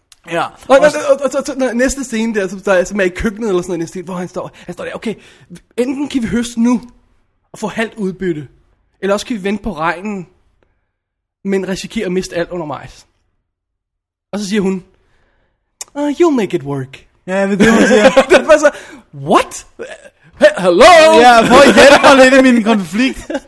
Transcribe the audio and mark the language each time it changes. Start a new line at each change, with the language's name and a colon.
Danish: Ja. Og så næste scene der, som er i køkkenet eller sådan en stil, hvor han står der, okay, enten kan vi høste nu, og få halvt udbytte, eller også kan vi vente på regnen, men risikere at miste alt under majs. Og så siger hun,
English: you'll make it work.
Danish: Ja, jeg ved det, hun siger. Det var så,
English: what? Hello?
Danish: Ja, prøv at hjælpe mig lidt i min konflikt.